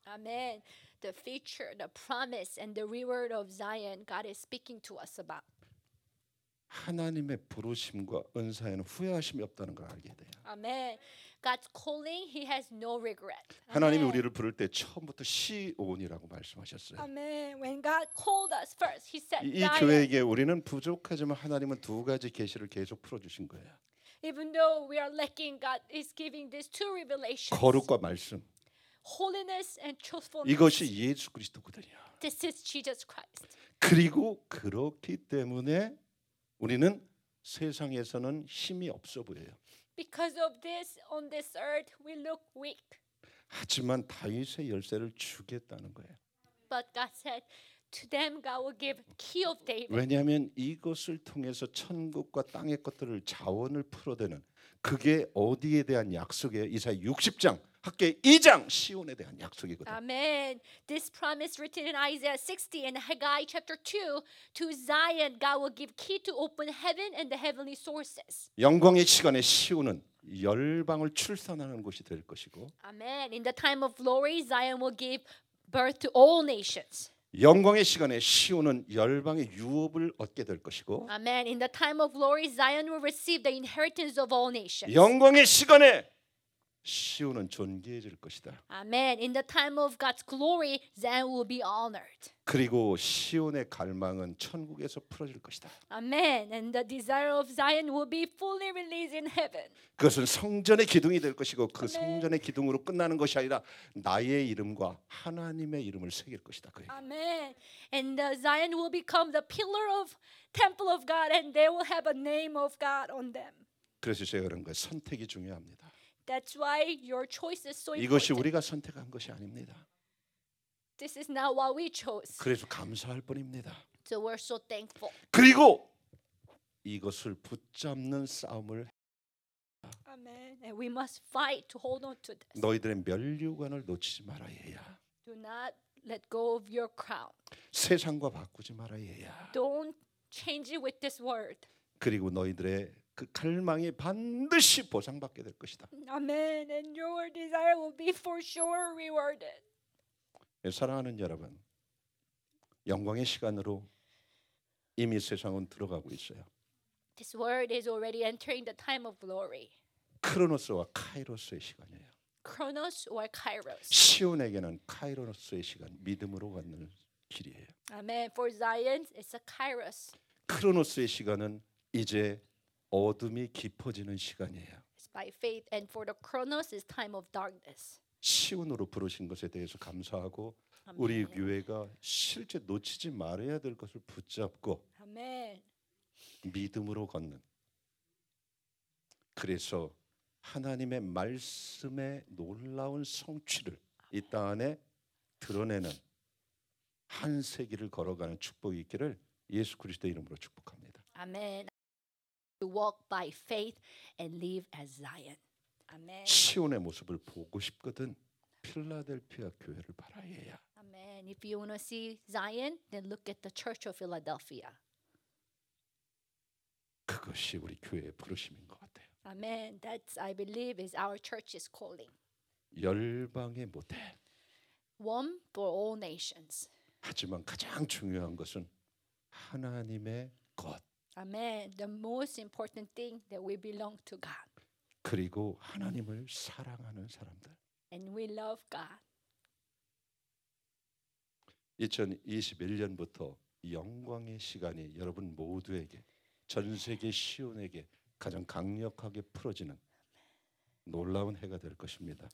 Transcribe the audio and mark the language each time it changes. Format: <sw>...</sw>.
<en>Amen. The future, the promise and the reward of Zion God is speaking to us about.</en> <ko>하나님의 부르심과 은사에는 후회하심이 없다는 걸 알게 돼요.</ko> <en>Amen. God's calling, He has no regret.</en> <ko>하나님이 Amen. 우리를 부를 때 처음부터 시온이라고 말씀하셨어요.</ko> <en>Amen. When God called us first, He said,</en> <ko>이 교회에게 우리는 부족하지만 하나님은 두 가지 계시를 계속 풀어주신 거예요.</ko> <en>Even though we are lacking, God is giving these two revelations.</en> <ko>거룩과 말씀.</ko> <en>Holiness and truthfulness.</en> <ko>이것이 예수 그리스도거든요.</ko> <en>This is Jesus Christ.</en> <ko>그리고 그렇기 때문에 우리는 세상에서는 힘이 없어 보여요.</ko> <en>Because of this, on this earth, we look weak.</en> <ko>하지만 다윗의 열쇠를 주겠다는 거예요.</ko> <en>But God said, to them God will give key of David.</en> <ko>왜냐하면 이것을 통해서 천국과 땅의 것들을 자원을 풀어대는 그게 어디에 대한 약속이에요? 이사야 60장 학계 2장 시온에 대한 약속이거든.</ko> <en>Amen. This promise written in Isaiah 60 and Haggai chapter 2 to Zion God will give key to open heaven and the heavenly sources.</en> <ko>영광의 시간에 시온은 열방을 출산하는 곳이 될 것이고.</ko> <en>Amen. In the time of glory Zion will give birth to all nations.</en> <ko>영광의 시간에 시온은 열방의 유업을 얻게 될 것이고.</ko> <en>Amen. In the time of glory Zion will receive the inheritance of all nations.</en> <ko>영광의 시간에 시온은 존귀해질 것이다.</ko> <en>Amen. In the time of God's glory, Zion will be honored.</en> <ko>그리고 시온의 갈망은 천국에서 풀어질 것이다.</ko> <en>Amen. And the desire of Zion will be fully released in heaven.</en> <ko>그것은 성전의 기둥이 될 것이고 그 Amen. 성전의 기둥으로 끝나는 것이 아니라 나의 이름과 하나님의 이름을 새길 것이다. 그에게.</ko> <en>Amen. And the Zion will become the pillar of temple of God and they will have a name of God on them.</en> <ko>그래서 제가 그런 거예요. 선택이 중요합니다.</ko> <en>That's why your choice is so important.</en> <ko>이것이 우리가 선택한 것이 아닙니다.</ko> <en>This is not what we chose.</en> <ko>그래서 감사할 뿐입니다.</ko> <en>So we're so thankful.</en> <ko>그리고 이것을 붙잡는 싸움을</ko> <en>Amen. And we must fight to hold on to this.</en> <ko>너희들의 면류관을 놓치지 말아 얘야.</ko> <en>Do not let go of your crown.</en> <ko>세상과 바꾸지 말아 얘야.</ko> <en>Don't change it with this world.</en> <ko>그리고 너희들의 그 갈망이 반드시 보상받게 될 것이다.</ko> <en>Amen. And your desire will be for sure rewarded.</en> <ko>사랑하는 여러분, 영광의 시간으로 이미 세상은 들어가고 있어요.</ko> <en>This world is already entering the time of glory.</en> <ko>크로노스와 카이로스의 시간이에요.</ko> <en>Chronos or Kairos.</en> <ko>시온에게는 카이로스의 시간, 믿음으로 갖는 길이에요.</ko> <en>Amen. For Zion, it's a Kairos.</en> <ko>크로노스의 시간은 이제 어둠이 깊어지는 시간이에요.</ko> <en>It's by faith and for the Chronos is time of darkness.</en> <ko>시온으로 부르신 것에 대해서 감사하고 Amen. 우리 교회가 실제 놓치지 말아야 될 것을 붙잡고</ko> <en>Amen.</en> <ko>믿음으로 걷는 그래서 하나님의 말씀의 놀라운 성취를 이 땅 안에 드러내는 한 세기를 걸어가는 축복이 있기를 예수 그리스도의 이름으로 축복합니다. 아멘.</ko> <en>To walk by faith and live as Zion. Amen.</en> <ko>시온의 모습을 보고 싶거든 필라델피아 교회를 바라야.</ko> <en>Amen. If you want to see Zion, then look at the Church of Philadelphia.</en> <ko>그것이 우리 교회의 부르심인 것 같아요.</ko> <en>Amen. That's, I believe, is our church's calling.</en> <ko>열방의 모델.</ko> <en>One for all nations.</en> <ko>하지만 가장 중요한 것은 하나님의 것.</ko> <en>Amen. The most important thing that we belong to God.</en> <ko>그리고 하나님을 사랑하는 사람들.</ko> <en>And we love God.</en> <ko>2021년부터 영광의 시간이 여러분 모두에게 전 세계 시온에게 가장 강력하게 풀어지는 놀라운 해가 될 것입니다.</ko>